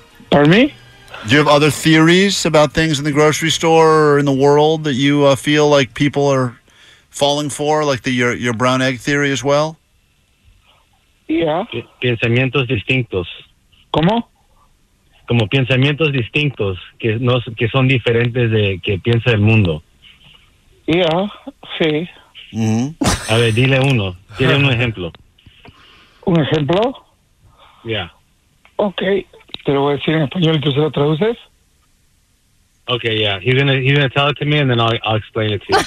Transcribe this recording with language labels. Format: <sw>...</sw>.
<en>Pardon me? Do you have other theories about things in the grocery store or in the world that you feel like people are falling for, like your brown egg theory as well? Yeah.</en> <es>Pensamientos distintos. ¿Cómo? Como pensamientos distintos que son diferentes de que piensa el mundo.</es> <en>Yeah, sí.</en> <es>Mm-hmm. A ver, dile uno. Dile un ejemplo. ¿Un ejemplo?</es> <en>Yeah. Okay.</en> <es>Te lo voy a decir en español y tú se lo traduces.</es> <en>Okay, yeah. He's gonna tell it to me and then I'll explain it to you.</en>